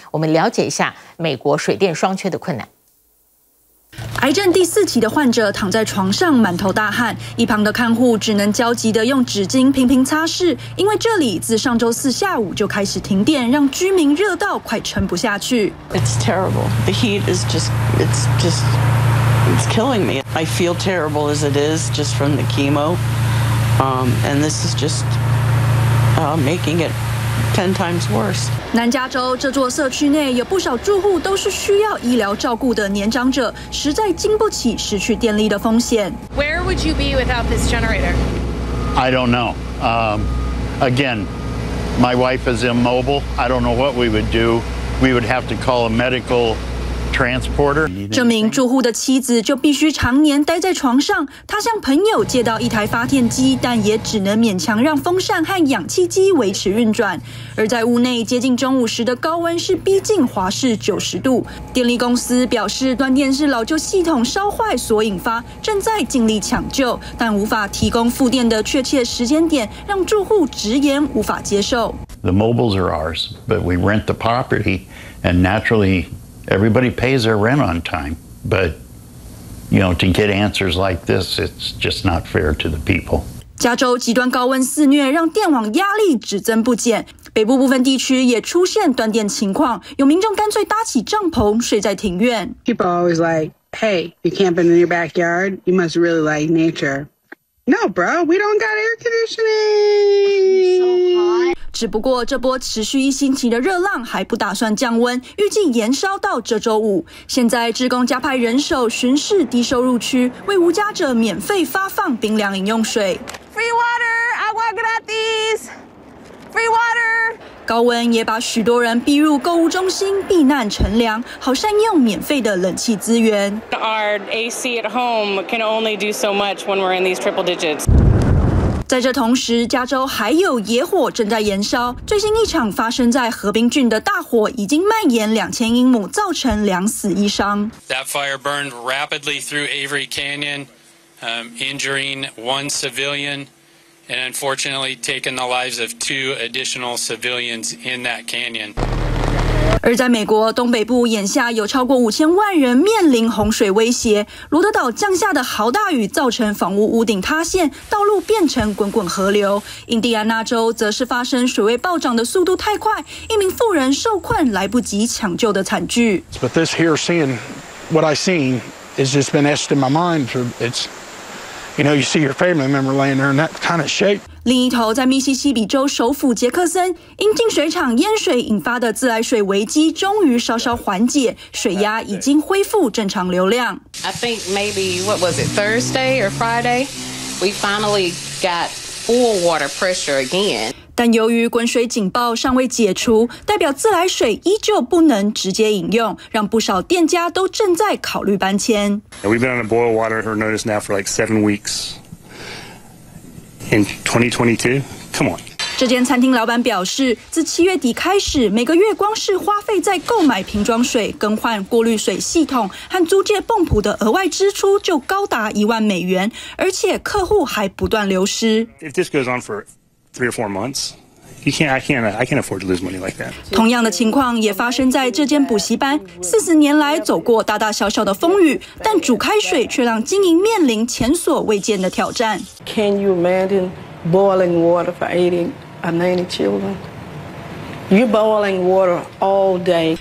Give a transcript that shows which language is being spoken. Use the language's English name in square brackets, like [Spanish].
[Chinese] 我们了解一下美国水电双缺的困难。癌症第4期的患者躺在床上满头大汗，一旁的看护只能焦急地用纸巾频频擦拭，因为这里自上周四下午就开始停电，让居民热到快撑不下去。 [English] It's terrible. The heat is just, it's just, it's killing me. I feel terrible as it is just from the chemo. And this is just making it10 times worse. [Chinese] 南加州这座社区内有不少住户都是需要医疗照顾的年长者，实在经不起失去电力的风险。 [English] Where would you be without this generator? I don't know. Again, my wife is immobile. I don't know what we would do. We would have to call a medical transporter. [Chinese] 这名住户的妻子就必须常年待在床上，她向朋友借到一台发电机，但也只能勉强让风扇和氧气机维持运转。而在屋内接近中午时的高温是逼近华氏90度，电力公司表示断电是老旧系统烧坏所引发，正在尽力抢救，但无法提供复电的确切时间点，让住户直言无法接受。 [English] The mobiles are ours, but we rent the property and naturallyEverybody pays their rent on time, but you know, to get answers like this, it's just not fair to the people. [Chinese] 加州极端高温肆虐，让电网压力只增不减。北部部分地区也出现断电情况，有民众干脆搭起帐篷睡在庭院。 [English] People are always like, "Hey, you camping in your backyard? You must really like nature." No, bro, we don't got air conditioning. [Chinese] 只不过这波持续一星期的热浪还不打算降温，预计延烧到这周五。现在志工加派人手巡视低收入区，为无家者免费发放冰凉饮用水。 [English] Free water, [Spanish] agua gratis. [English] Free water. [Chinese] 高温也把许多人逼入购物中心避难乘凉，好善用免费的冷气资源。 [English] Our AC at home can only do so much when we're in these triple digits. [Chinese] 在这同时，加州还有野火正在燃烧。最新一场发生在河滨郡的大火已经蔓延2000英亩，造成2死1伤。 [English] That fire burned rapidly through Avery Canyon, injuring one civilian, and unfortunately taking the lives of two additional civilians in that canyon. [Chinese] 而在美国东北部，眼下有超过5000万人面临洪水威胁。罗德岛降下的豪大雨造成房屋屋顶塌陷，道路变成滚滚河流。印第安纳州则是发生水位暴涨的速度太快，一名妇人受困来不及抢救的惨剧。 [English] But this here seeing what I seen is just been etched in my mind. It's, you know, you see your family member laying there in that kind of shape. [Chinese] 另一头，在密西西比州首府杰克森，因净水厂淹水引发的自来水危机终于稍稍缓解，水压已经恢复正常流量。 [English] I think maybe what was it Thursday or Friday, we finally got full water pressure again. [Chinese] 但由于滚水警报尚未解除，代表自来水依旧不能直接饮用，让不少店家都正在考虑搬迁。 [English] We've been on a boil water notice now for like 7 weeks. In 2022, come on. [Chinese] 这间餐厅老板表示，自7月底开始，每个月光是花费在购买瓶装水、更换过滤水系统和租借泵浦的额外支出就高达$10,000，而且客户还不断流失。 [English] If this goes on for 3 or 4 months, I can't afford to lose money like that. [Chinese] 同样的情况也发生在这间补习班，40年来走过大大小小的风雨，但煮开水却让经营面临前所未见的挑战。 [English] Can you imagine boiling water for 80 or 90 children? You're boiling water all day.